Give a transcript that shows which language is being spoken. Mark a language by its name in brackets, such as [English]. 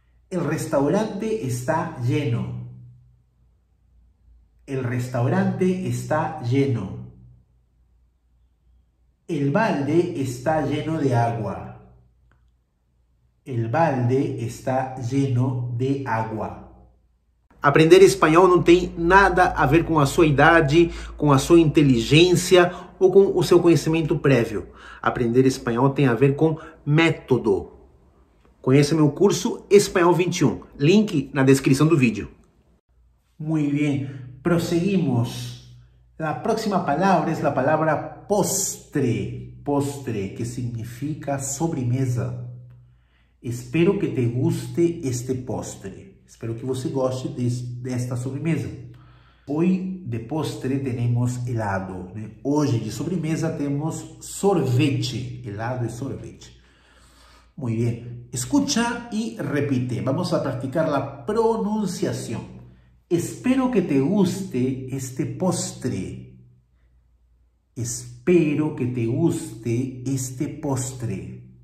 [Spanish] El restaurante está lleno. El restaurante está lleno. El balde está lleno de agua. El balde está lleno de agua. [Portuguese] Aprender español no tem nada a ver com a sua idade, com a sua inteligência ou com o seu conhecimento prévio. Aprender espanhol tem a ver com método. Conheça meu curso Espanhol 21. Link na descrição do vídeo. Muito bem. Proseguimos. A próxima palavra é a palavra postre. [Spanish] Postre, [Portuguese] que significa sobremesa. [Spanish] Espero que te guste este postre. [Portuguese] Espero que você goste desta sobremesa. [Spanish] Hoy de postre tenemos helado, ¿no? [Portuguese] Hoje de sobremesa temos sorvete. [Spanish] Helado [Portuguese] e sorvete. [Spanish] Muy bien. Escucha y repite. Vamos a practicar la pronunciación. Espero que te guste este postre. Espero que te guste este postre.